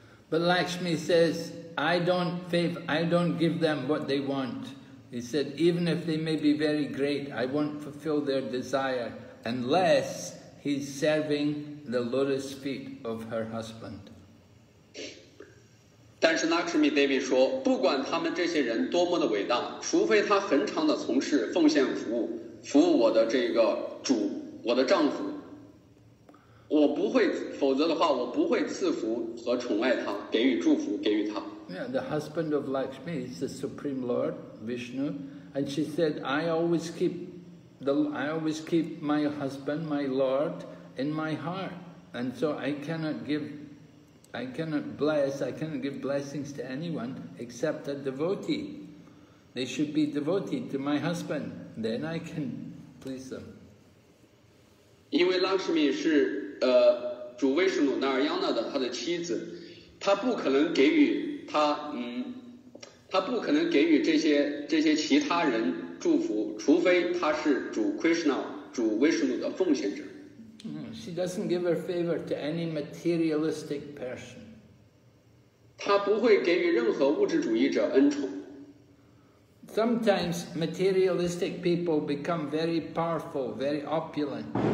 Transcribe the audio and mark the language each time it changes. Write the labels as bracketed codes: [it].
[en] But Lakshmi says, I don't give them what they want. He said, even if they may be very great, I won't fulfill their desire unless he's serving the lotus feet of her husband. [zh] 但是 Lakshmi Devi 说，不管他们这些人多么的伟大，除非他恒常的从事奉献服务，服务我的这个主，我的丈夫，我不会，否则的话，我不会赐福和宠爱他，给予祝福，给予他。Yeah, [en] the husband of Lakshmi is the Supreme Lord Vishnu, and she said, I always keep my husband, my Lord, in my heart, and so I cannot give blessings to anyone except a devotee. They should be devoted to my husband, then I can please them. [zh] 因为Lakshmi是主Vishnu Narayana的他的妻子，他不可能给予这些其他人祝福，除非他是主 Krishna, 主 Vishnu 的奉献者。 [en] She doesn't give her favor to any materialistic person. [zh] 她不会给予任何物质主义者恩宠。 [en] Sometimes materialistic people become very powerful, very opulent.